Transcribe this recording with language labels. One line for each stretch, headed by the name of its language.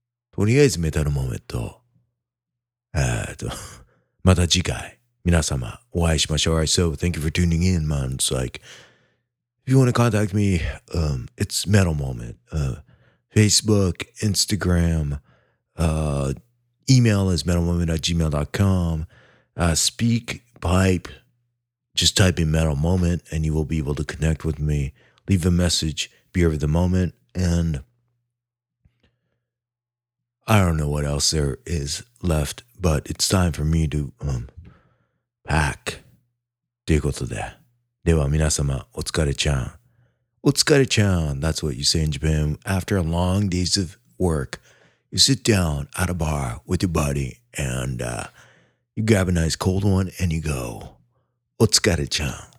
Japanese: とりあえずメタルモメント。また次回。皆様、お会いしましょう。
English: Alright, so thank you for tuning in, man. It's like, if you want to contact me, it's Metal Moment. Facebook, Instagram, email is metalmoment@gmail.com. Speakpipe, just type in Metal Moment and you will be able to connect with me. Leave a message, be over the moment, and I don't know what else there is left, but it's time for me to,
Japanese: パック。ということで。では皆様、お疲れちゃん。お疲れちゃん。
English: That's what you say in Japan. After a long days of work, you sit down at a bar with your buddy and, you grab a nice cold one and you go,
Japanese: お疲れちゃん。